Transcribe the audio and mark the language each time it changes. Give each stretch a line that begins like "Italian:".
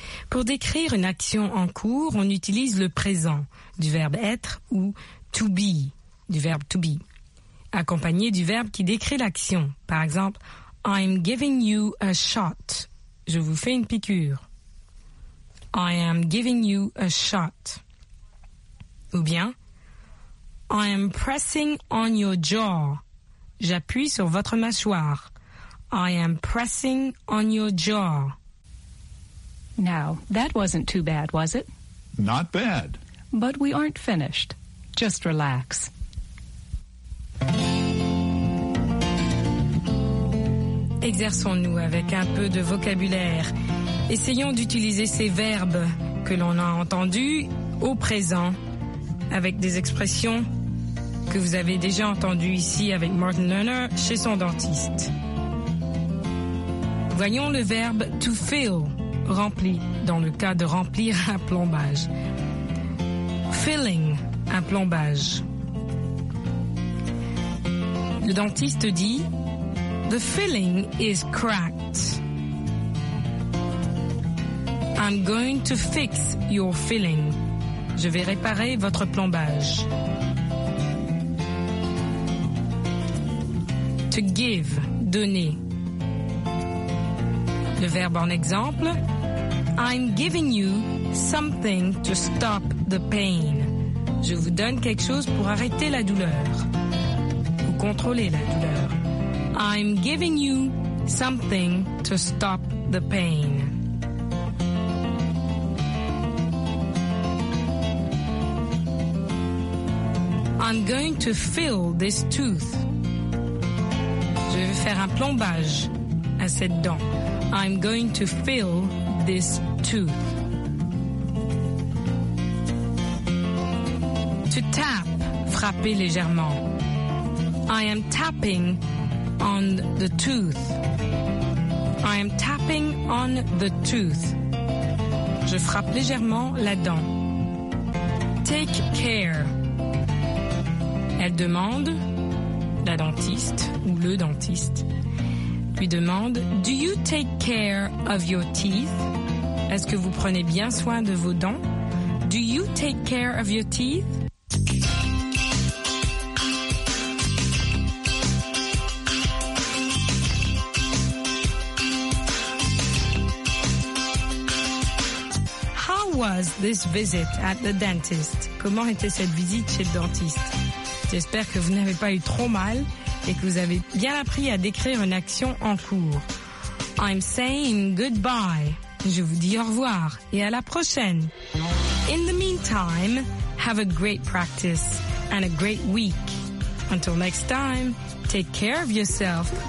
French: Pour décrire une action en cours, on utilise le présent du verbe être ou to be, du verbe to be, accompagné du verbe qui décrit l'action. Par exemple,
English: I'm giving you a shot.
French: Je vous fais une piqûre.
English: I am giving you a shot.
French: Ou bien,
English: I am pressing on your jaw.
French: J'appuie sur votre mâchoire.
English: I am pressing on your jaw. Now, that wasn't too bad, was it? Not bad. But we aren't finished. Just relax.
French: Exerçons-nous avec un peu de vocabulaire. Essayons d'utiliser ces verbes que l'on a entendus au présent avec des expressions que vous avez déjà entendues ici avec Martin Lerner chez son dentiste. Voyons le verbe to fill, rempli, dans le cas de remplir un plombage. Filling, un plombage. Le dentiste dit,
English: the filling is cracked. I'm going to fix your filling.
French: Je vais réparer votre plombage.
English: To give, donner.
French: Le verbe en exemple,
English: I'm giving you something to stop the pain.
French: Je vous donne quelque chose pour arrêter la douleur. Ou contrôler la douleur.
English: I'm giving you something to stop the pain. I'm going to fill this tooth.
French: Je vais faire un plombage à cette dent.
English: I'm going to fill this tooth.
French: To tap, frapper légèrement.
English: I am tapping on the tooth. I am tapping on the tooth.
French: Je frappe légèrement la dent.
English: Take care.
French: Elle demande, la dentiste ou le dentiste, lui demande,
English: do you take care of your teeth?
French: Est-ce que vous prenez bien soin de vos dents?
English: Do you take care of your teeth? Was this visit at the dentist?
French: Comment était cette visite chez le dentiste? J'espère que vous n'avez pas eu trop mal et que vous avez bien appris à décrire une action en cours.
English: I'm saying goodbye.
French: Je vous dis au revoir et à la prochaine.
English: In the meantime, have a great practice and a great week. Until next time, take care of yourself.